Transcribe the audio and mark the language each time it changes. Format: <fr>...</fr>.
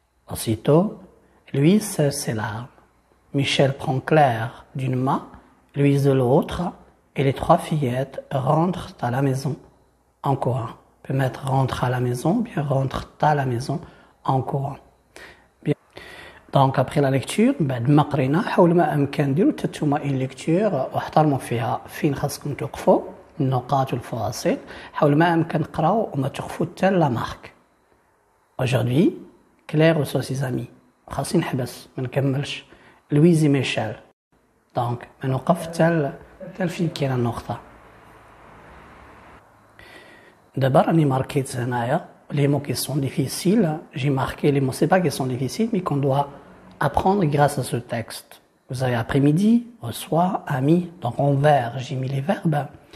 <fr>Aussitôt, Louise cesse ses larmes. Michel prend Claire d'une main, Louise de l'autre, et les trois fillettes rentrent à la maison. Encore. Mettre rentre à la maison, bien rentre à la maison en courant. Bien. Donc après la lecture,</fr> <ar>بعد ما قرينا حاول ما امكن ديروا تتوما اي ليكتور واحترموا فيها فين خاصكم توقفوا النقاط والفواصل حاول ما امكن قراو وما توقفوا حتى لا مارك. Aujourd'hui, Claire reçoit ses amis. خاصني نحبس ما نكملش. Louise et Michel. Donc, ما نوقف حتى فين كاينه النقطة.</ar> <fr>D'abord, on est marqué les mots qui sont difficiles. J'ai marqué les mots, c'est pas qu'ils sont difficiles, mais qu'on doit apprendre grâce à ce texte. Vous avez après-midi, reçoit, ami, donc en vert, j'ai mis les verbes.</fr>